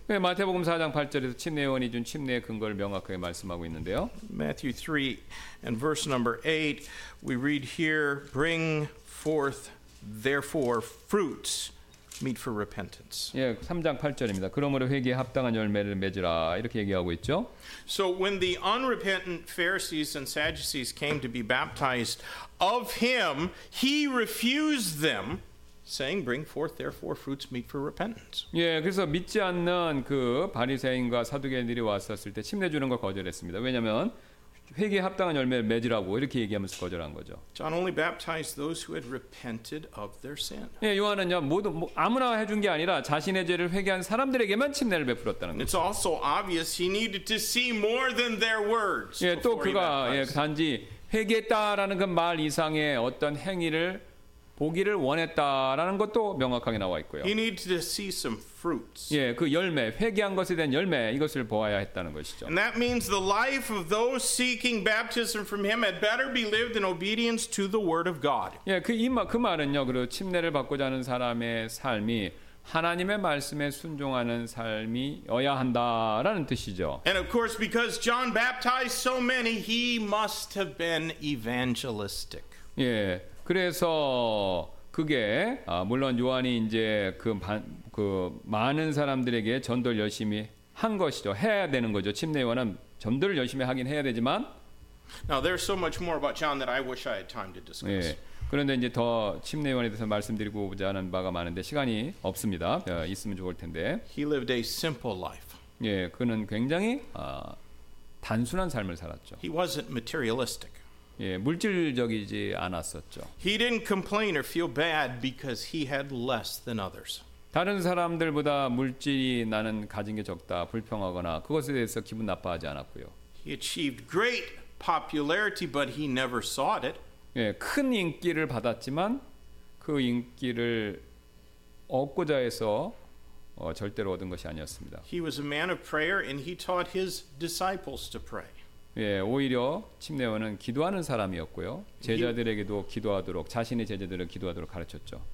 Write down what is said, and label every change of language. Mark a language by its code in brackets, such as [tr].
[ko] 네, 마태복음 4장 8절에서 침례 요한이 준 침례의 근거를 명확하게 말씀하고 있는데요. [en] Matthew 3 and verse number 8, we read here, bring forth therefore fruits meet for repentance. [ko] 예, 3장 8절입니다. 그러므로 회개에 합당한 열매를 맺으라 이렇게 얘기하고 있죠. [en] So when the unrepentant Pharisees and Sadducees came to be baptized of him, he refused them, saying, "Bring forth therefore fruits meet for repentance." [ko] 예, 그래서 믿지 않는 그 바리새인과 사두개인들이 왔었을 때 침례 주는 걸 거절했습니다. 왜냐하면 회개에 합당한 열매를 맺으라고 이렇게 얘기하면서 거절한 거죠. [en] John only baptized those who had repented of their sin. [ko] 예, 요한은요 모두 뭐, 아무나 해준 게 아니라 자신의 죄를 회개한 사람들에게만 침례를 베풀었다는 거죠. [en] It's also obvious he needed to see more than their words. [ko] 예, 또 그가 예, 단지 회개했다라는 그 말 이상의 어떤 행위를 보기를 원했다라는 것도 명확하게 나와 있고요. [en] He needed to see some fruits. [ko] 예, 그 열매, 회개한 것에 대한 열매 이것을 보아야 했다는 것이죠. [en] And that means the life of those seeking baptism from him had better be lived in obedience to the word of God. [ko] 예, 그 말은요. 그리고 침례를 받고자 하는 사람의 삶이 하나님의 말씀에 순종하는 삶이어야 한다라는 뜻이죠. [en] And of course because John baptized so many, he must have been evangelistic. [ko] 예. 그래서 그게 물론 요한이 이제 그 많은 사람들에게 전도를 열심히 한 것이죠. 해야 되는 거죠. 침례 요한은 전도를 열심히 하긴 해야 되지만 [en] Now there's so much more about John that I wish I had time to discuss. [ko] 예. 그런데 이제 더 침례 요한에 대해서 말씀드리고자 하는 바가 많은데 시간이 없습니다. 있으면 좋을 텐데. [en] He lived a simple life. [ko] 예, 그는 굉장히 단순한 삶을 살았죠. [en] He wasn't materialistic. [ko] 예, 물질적이지 않았었죠. [en] He didn't complain or feel bad because he had less than others. [ko] 다른 사람들보다 물질이 나는 가진 게 적다 불평하거나 그것에 대해서 기분 나빠하지 않았고요. [en] He achieved great popularity, but he never sought it. [ko] 예, 큰 인기를 받았지만 그 인기를 얻고자 해서 절대로 얻은 것이 아니었습니다. [en] He was a man of prayer and he taught his disciples to pray. [ko] 예, 오히려 침례원은 기도하는 사람이었고요. 제자들에게도 기도하도록 자신의 제자들을 기도하도록 가르쳤죠.